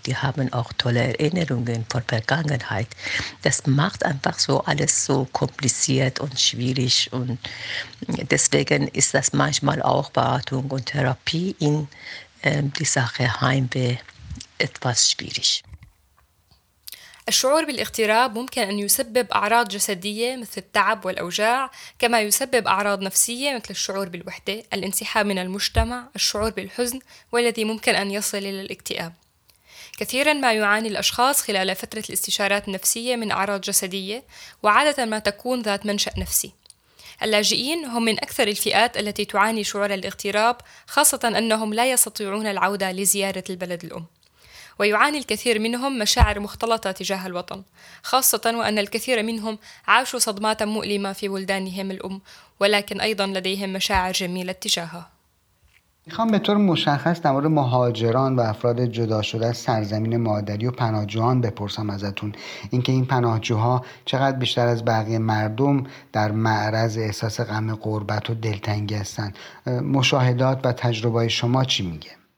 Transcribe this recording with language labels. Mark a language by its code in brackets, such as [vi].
[de] Die haben auch tolle Erinnerungen von Vergangenheit. Das macht einfach so alles so kompliziert und schwierig. Und deswegen ist das manchmal auch Beratung und Therapie in die Sache Heimweh etwas schwierig. [ar] الشعور بالاغتراب ممكن أن يسبب أعراض جسدية مثل التعب والأوجاع، كما يسبب أعراض نفسية مثل الشعور بالوحدة، الانسحاب من المجتمع، الشعور بالحزن، والذي ممكن أن يصل إلى الاكتئاب. كثيراً ما يعاني الأشخاص خلال فترة الاستشارات النفسية من أعراض جسدية، وعادة ما تكون ذات منشأ نفسي. اللاجئين هم من أكثر الفئات التي تعاني شعور الاغتراب، خاصة أنهم لا يستطيعون العودة لزيارة البلد الأم. ويعاني الكثير منهم مشاعر مختلطة تجاه الوطن، خاصة وأن الكثير منهم عاشوا صدمات مؤلمة في بلدانهم الأم، ولكن أيضا لديهم مشاعر جميلة تجاهها. [fa] میخوام به طور مشخص در مورد مهاجران و افراد جدا شده از سرزمین مادری و پناهجوان بپرسم ازتون، اینکه این پناهجوها چقدر بیشتر از بقیه مردم در معرض احساس غم غربت و دلتنگی هستن. مشاهدات و تجربه شما چی میگه؟